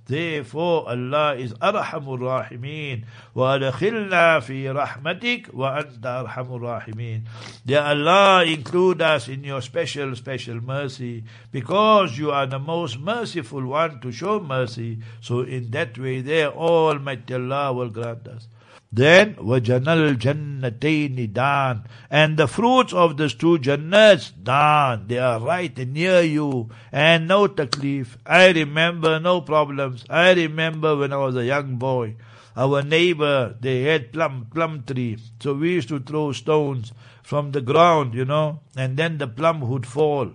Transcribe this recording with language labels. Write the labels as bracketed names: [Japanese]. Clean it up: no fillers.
[English] Therefore, Allah is Arhamur Rahimeen. [Arabic] وَأَدْخِلْنَا فِي رَحْمَتِكَ وَأَنْتَ أَرْحَمُ الرَّاحِمِينَ. [English] Dear Allah, include us in your special, special mercy, because you are the most merciful one to show mercy. So in that way there, Almighty Allah will grant us. Then [Arabic] وَجَنَلْ جَنَّتَيْنِ دَانِ. [English] And the fruits of these two jannats, daan, they are right near you, and no taklif. I remember no problems. I remember when I was a young boy, our neighbor, they had plum tree. So we used to throw stones from the ground, you know, and then the plum would fall.